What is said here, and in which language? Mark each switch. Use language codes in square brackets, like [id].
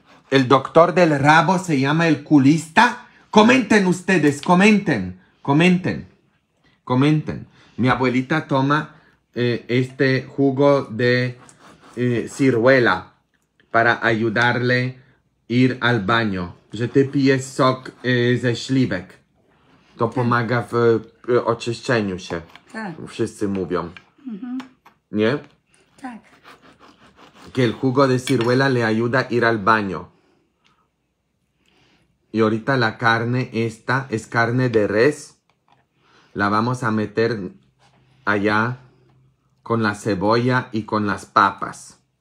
[es] El doctor del rabo se llama el culista. Comenten ustedes, comenten, comenten, comenten. Mi abuelita toma este jugo de ciruela para ayudarle a ir al baño. [pl] Je te pije sok ze śliwek. To pomaga w oczyszczeniu się. Tak. Wszyscy mówią. Mm-hmm. Nie? Tak. [es] Que el jugo de ciruela le ayuda a ir al baño. Y ahorita la carne esta es carne de res. La vamos a meter allá con la cebolla y con las papas.